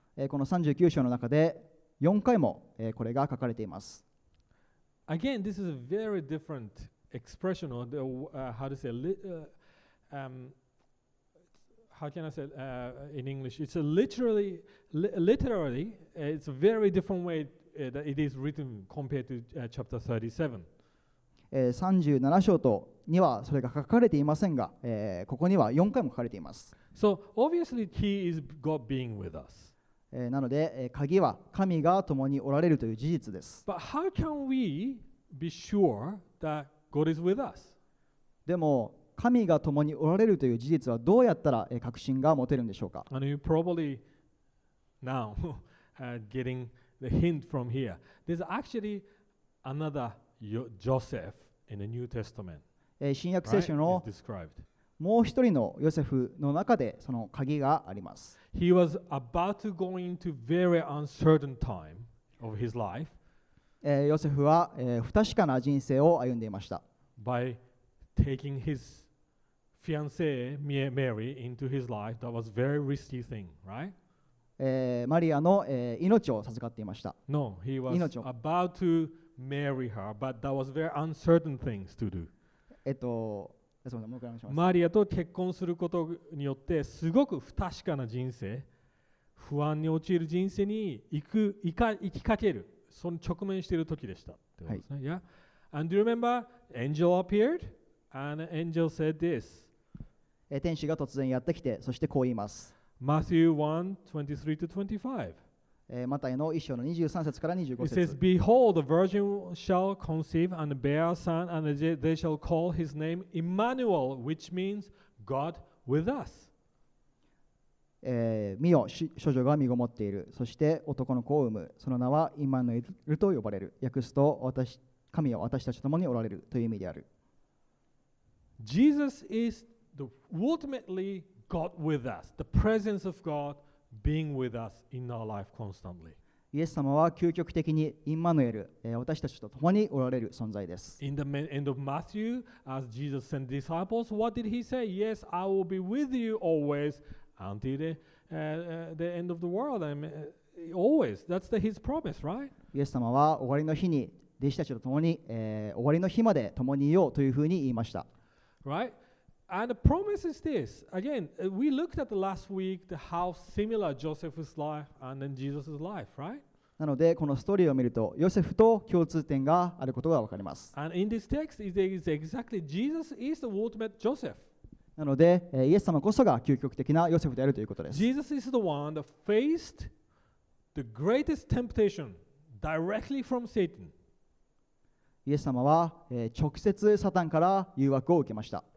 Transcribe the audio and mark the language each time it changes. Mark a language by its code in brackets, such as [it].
[ja] この39章の中で4回もこれが書かれています。 [en] Again, this is a very different expression or the, how to say, how can I say in English? It's a literally, it's a very different way that it is written compared to chapter 37. [ja] 37章とにはそれが書かれていませんが、ここには4回も書かれています。 [en] So obviously key is God being with us. [ja] なので、鍵は神が共におられるという事実です。 [en] But how can we be sure that God is with us? [ja] でも神が共におられるという事実はどうやったら確信が持てるんでしょうか? [en] And you probably now getting the hint from here. There's actually anotherJoseph in the New Testament. [ja] 新約聖書のもう一人のヨセフの中でその鍵があります。 [en] He was about to go into very uncertain time of his life. [ja] ヨセフは不確かな人生を歩んでいました。 [en] By taking his fiancée Mary into his life, that was a very risky thing, right? [ja] マリアの命を授かっていました。 [en] No, he was about to. Marry her, but that was very uncertain things to do. [ja] マリアと結婚することによってすごく不確かな人生、不安に陥る人生に行きかける、その直面している時でした。はい。Yeah. [en] And do you remember, angel appeared, and angel said this. [ja] 天使が突然やってきて、そしてこう言います。 [en] Matthew 1:23-25. [ja] マタイの1章の23節から25節。 [en] It says, Behold, the virgin shall conceive and bear a son, and they shall call his name Emmanuel, which means God with us. [ja] 見よ、少女が身ごもっている。そして男の子を産む。その名はイマヌエルと呼ばれる。訳すと、神は私たちと共におられるという意味である。 [en] Jesus is the ultimately God with us, the presence of God.Being with us in our life constantly. [ja] イエス様は究極的にインマヌエル、私たちと共におられる存在です。 [en] In the end of Matthew, as Jesus sent disciples, what did he say? Yes, I will be with you always until the end of the world. I mean, always. That's his promise, right? [ja] イエス様は終わりの日に弟子たちと共に、終わりの日まで共にいようというふうに言いました。 [en] Right? And the promise is this. Again, we looked at the last week the how similar Joseph's life and then Jesus's life, right? [ja] なのでこのストーリーを見るとヨセフと共通点があることがわかります。 [en] And in this text, it is exactly Jesus is the ultimate Joseph. [ja] なのでイエス様こそが究極的なヨセフであるということです。 [en] Jesus is the one that faced the greatest temptation directly from Satan. [ja] イエス様は直接サタンから誘惑を受けました。